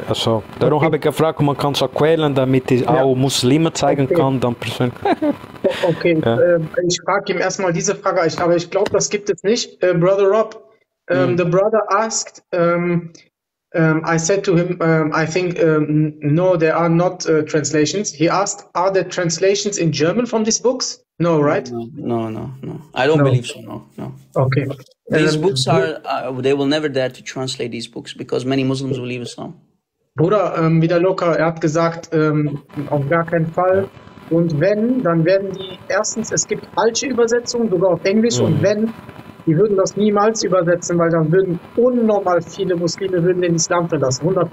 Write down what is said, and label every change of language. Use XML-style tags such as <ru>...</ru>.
<de>Also, darum habe ich gefragt, ob man kann so quälen, damit ich auch Muslime zeigen kann. Dann persönlich. Okay, ja. Ich frage ihm erstmal diese Frage, aber ich glaube, das gibt es nicht.</de> <en>Brother Rob, the brother asked, I said to him, I think, no, there are not translations. He asked, are there translations in German from these books? No, right? No. I don't believe so. Okay. These books they will never dare to translate these books because many Muslims will leave Islam.</en> <de>Bruder, wieder locker, er hat gesagt, auf gar keinen Fall. Und wenn, dann werden die, erstens, es gibt falsche Übersetzungen, sogar auf Englisch. Mhm. Und wenn, die würden das niemals übersetzen, weil dann würden unnormal viele Muslime würden den Islam verlassen, 100%.</de>